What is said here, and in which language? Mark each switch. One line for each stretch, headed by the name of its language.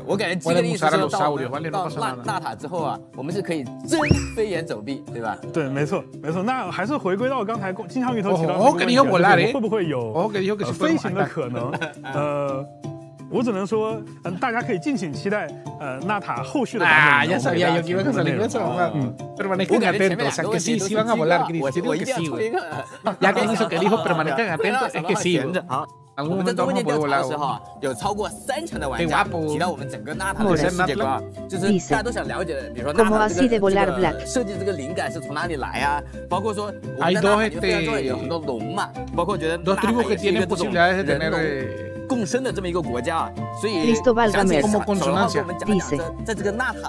Chinese: 我感觉这个意思就是到纳塔之后啊，我们是可以真飞檐走壁，对吧？对，没错。那还是回归到刚才金枪鱼头提到的，我跟你说，会不会有飞行的可能？我只能说，大家可以敬请期待，纳塔后续的版本。啊，有可能，
Spanish: pero manejen atentos, o sea que sí, sí van a volar, Chris, yo digo que sí, güey. Ya que eso que dijo, pero manejen atentos, es que sí, güey.
Chinese: 我们在多问题调查的时候，有超过三成的玩家提到我们整个纳塔的世界观，就是大家都想了解，比如说纳塔的这个设计这个灵感是从哪里来啊？包括说我们在纳塔里面非常重要有很多龙嘛，包括觉得纳塔也是一个这种人龙共生的这么一个国家，所以想请小龙跟我们讲讲这在这个纳塔